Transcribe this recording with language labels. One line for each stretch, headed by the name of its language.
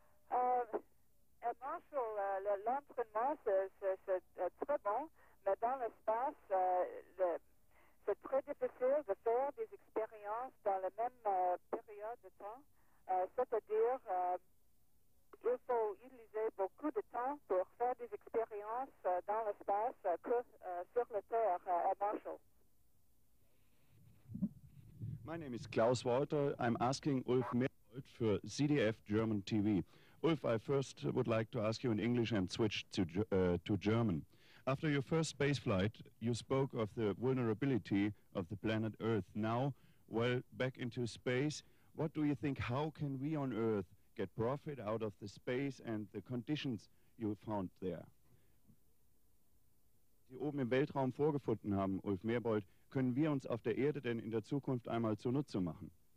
French: À Marshall, l'entraînement, c'est très bon, mais dans l'espace, c'est très difficile de faire des expériences dans la même période de temps, c'est-à-dire... Il faut utiliser beaucoup de temps pour faire des expériences dans l'espace que sur la Terre à Marshall.
English: My name is Klaus Walter. I'm asking Ulf Merbold for CDF German TV. Ulf, I first would like to ask you in English and switch to German. After your first space flight, you spoke of the vulnerability of the planet Earth. Now, well, back into space, what do you think, how can we on Earth get profit out of the space and the conditions you found there.
German: Die oben im Weltraum vorgefunden haben, Ulf Merbold, können wir uns auf der Erde denn in der Zukunft einmal zunutze machen?